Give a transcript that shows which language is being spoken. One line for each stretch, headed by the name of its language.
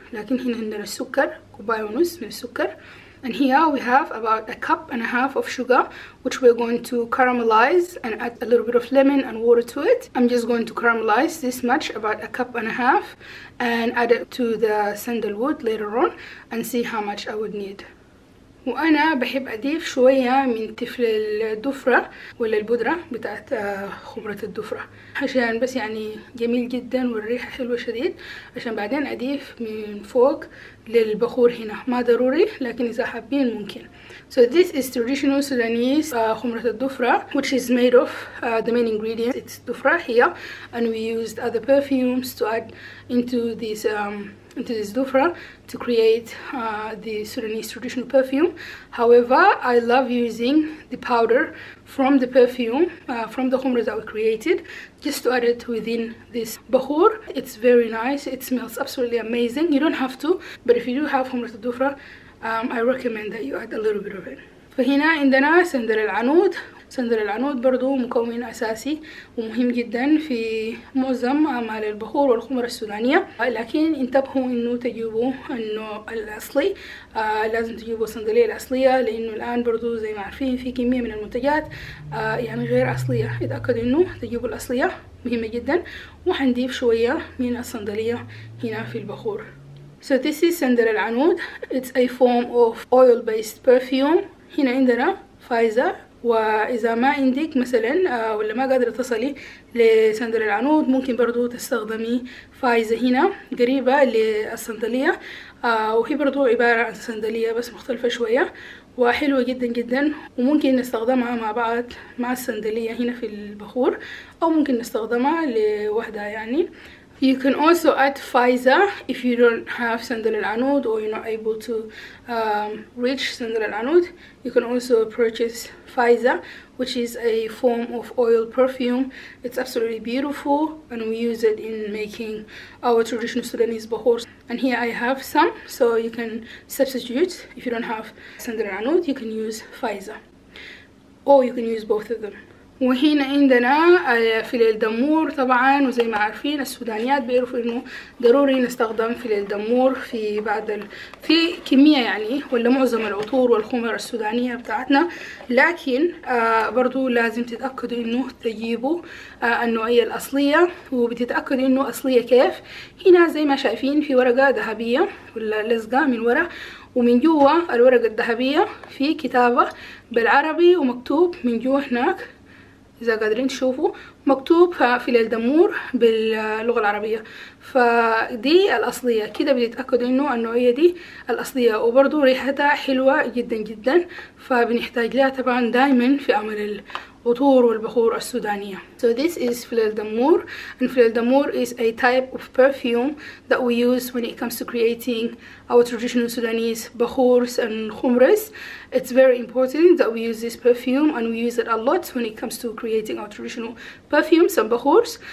Arabic: لكن هنا عندنا السكر كوباية ونص من السكر.
English: And here we have about 1.5 cups of sugar, which we're going to caramelize and add a little bit of lemon and water to it. I'm just going to caramelize this much, about 1.5 cups, and add it to the sandalwood later on and see how much I would need.
Arabic: وأنا بحب أضيف شوية من تفل الدفرة ولا البودرة بتاعت خمرة الدفرة، عشان بس يعني جميل جدا والريحة حلوة شديد، عشان بعدين أضيف من فوق للبخور. هنا ما ضروري، لكن إذا حابين ممكن.
English: So this is traditional Sudanese خمرة الدفرة, which is made of the main ingredient. It's dufra here, and we used other perfumes to add into this into this dufra to create the Sudanese traditional perfume. However, I love using the powder from the perfume, from the khumra that we created, just to add it within this bakhour. It's very nice. It smells absolutely amazing. You don't have to, but if you do have khumra dufra, I recommend that you add a little bit of it.
Arabic: فهنا عندنا سندر العنود. سندر العنود برضو مكون أساسي ومهم جدا في معظم أعمال البخور والخمر السودانية، لكن انتبهوا إنه تجيبوا إنه الأصلي. لازم تجيبوا الصندلية الأصلية، لأنه الآن برضو زي ما عارفين في كمية من المنتجات يعني غير أصلية. اتأكدوا إنه تجيبوا الأصلية، مهمة جدا. وحنضيف شوية من الصندلية هنا في البخور.
English: So this is سندر العنود. It's a form of oil based perfume.
Arabic: هنا عندنا فايزة. وإذا ما عندك مثلا ولا ما قادرة تصلي لسندر العنود، ممكن برضو تستخدمي فايزة هنا قريبة للصندلية. وهي برضو عبارة عن صندلية بس مختلفة شوية، وحلوة جدا جدا، وممكن نستخدمها مع بعض مع الصندلية هنا في البخور، أو ممكن نستخدمها لوحدة يعني.
English: You can also add Faiza if you don't have sandal al-anud, or you're not able to reach sandal al-anud. You can also purchase Faiza, which is a form of oil perfume. It's absolutely beautiful, and we use it in making our traditional Sudanese bakhours. And here I have some, so you can substitute. If you don't have sandal al-anud, you can use Faiza, or you can use both of them.
Arabic: وهنا عندنا فلفل دمور طبعا، وزي ما عارفين السودانيات بيعرفوا انه ضروري نستخدم فلفل دمور في بعض في كمية يعني، ولا معظم العطور والخمر السودانية بتاعتنا. لكن برضو لازم تتأكدوا انه تجيبوا النوعية الأصلية، وبتتأكدوا انه أصلية كيف. هنا زي ما شايفين في ورقة ذهبية ولا لزقة من ورا، ومن جوا الورقة الذهبية في كتابة بالعربي، ومكتوب من جوا هناك إذا قادرين تشوفوا مكتوب في ليل دمور باللغة العربية، فدي الأصلية كده بيتأكد إنه النوعية دي الأصلية، وبرضو ريحتها حلوة جدا جدا، فبنحتاج لها طبعا دايما في أمر العطور والبخور السودانية.
English: So this is Filel Damour, and Filel Damour is a type of perfume that we use when it comes to creating our traditional Sudanese bakhours and khumras. It's very important that we use this perfume, and we use it a lot when it comes to creating our traditional perfumes and bakhours.